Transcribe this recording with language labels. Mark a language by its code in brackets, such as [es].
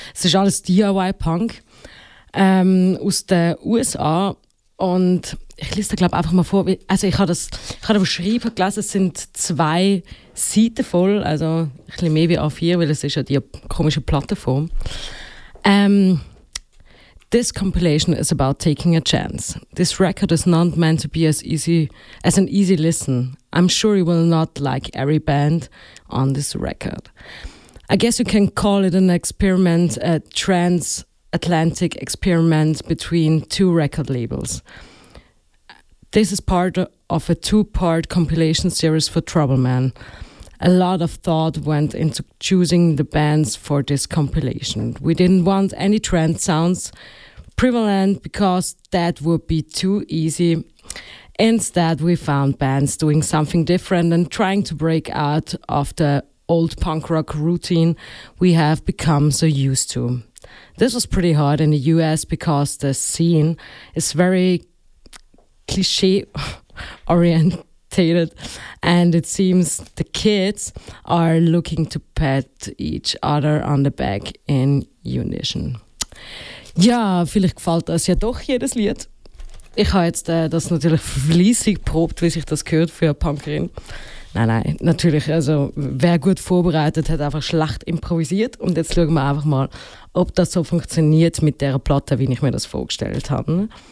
[de] Es ist alles DIY-Punk aus den USA. Und ich lese da glaube einfach mal vor. Also ich habe das geschrieben, gelesen, es sind zwei Seiten voll. Also ein bisschen mehr wie A4, weil es ist ja die komische Plattenform. [en] This compilation is about taking a chance. This record is not meant to be as an easy listen. I'm sure you will not like every band on this record. I guess you can call it an experiment, a transatlantic experiment between two record labels. This is part of a two-part compilation series for Trouble Man. A lot of thought went into choosing the bands for this compilation. We didn't want any trend sounds prevalent because that would be too easy. Instead, we found bands doing something different and trying to break out of the old punk rock routine we have become so used to. This was pretty hard in the US because the scene is very cliché oriented. And it seems the kids are looking to pat each other on the back in unison. [de] Ja, vielleicht gefällt das ja doch jedes Lied. Ich habe jetzt das natürlich fleissig geprobt, wie sich das gehört für eine Punkerin. Nein, natürlich, also wer gut vorbereitet, hat einfach schlecht improvisiert. Und jetzt schauen wir einfach mal, ob das so funktioniert mit dieser Platte, wie ich mir das vorgestellt habe.